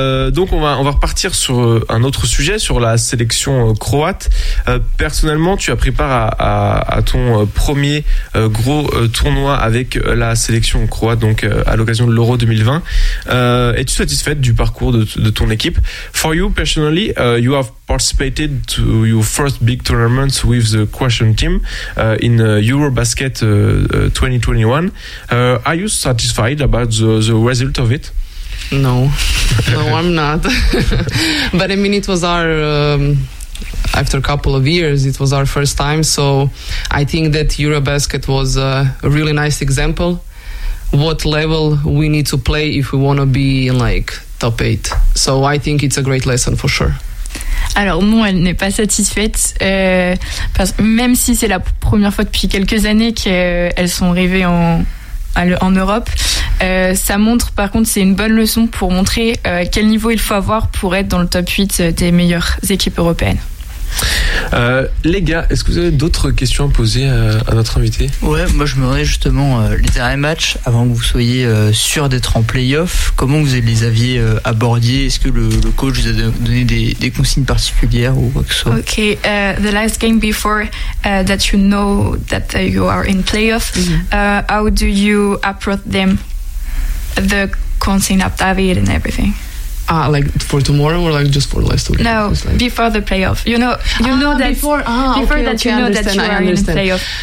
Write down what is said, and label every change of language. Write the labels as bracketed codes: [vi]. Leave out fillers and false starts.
[fr] Donc on va repartir sur un autre sujet, sur la sélection croate. Personnellement, tu as pris part à ton premier gros tournoi avec la sélection croate, donc à l'occasion de l'Euro 2020. Es-tu satisfaite du parcours de ton équipe? [en] For you personally, you have participated to your first big tournament with the Croatian team in Eurobasket 2021. Are you satisfied about the result of it? No, I'm not. But I mean, it was our after a couple of years, it was our first time. So I think that Eurobasket was a really nice example what level we need to play if we want to be in like top 8. So I think it's a great lesson for sure. [fr] Alors non, elle n'est pas satisfaite, parce que même si c'est la première fois depuis quelques années qu'elles sont arrivées en Europe, ça montre par contre, c'est une bonne leçon pour montrer quel niveau il faut avoir pour être dans le top 8 des meilleures équipes européennes. Les gars, est-ce que vous avez d'autres questions à poser à notre invité? Ouais, moi je me demandais justement les derniers matchs, avant que vous soyez sûr d'être en play-off, comment vous les aviez abordés? Est-ce que le coach vous a donné des consignes particulières ou quoi que ce soit? [en] Ok, the last game before that you know that you are in play-off, how do you approach them, the consignes of David and everything? Ah, like for tomorrow or like just for the last week? No, like before the playoff. You know that you are in the playoff.